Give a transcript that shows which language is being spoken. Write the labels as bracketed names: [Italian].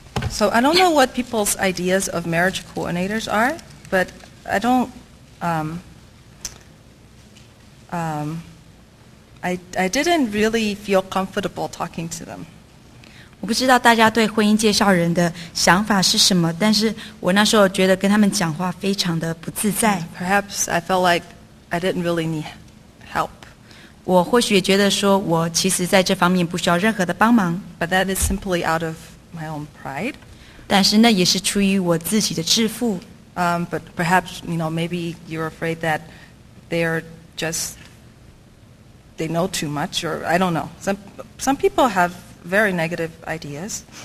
[English] So I don't know what people's ideas of marriage coordinators are, but I don't. I didn't really feel comfortable talking to them. [Chinese] 我不知道大家对婚姻介绍人的想法是什么，但是我那时候觉得跟他们讲话非常的不自在。 [English] Perhaps I felt like I didn't really need help. [Chinese] 我或许也觉得说我其实在这方面不需要任何的帮忙。 [English] But that is simply out of my own pride. [Chinese] 但是那也是出于我自己的自负。 [English] But perhaps, you know, maybe you're afraid that they're just, they know too much, or I don't know. Some people have very negative ideas.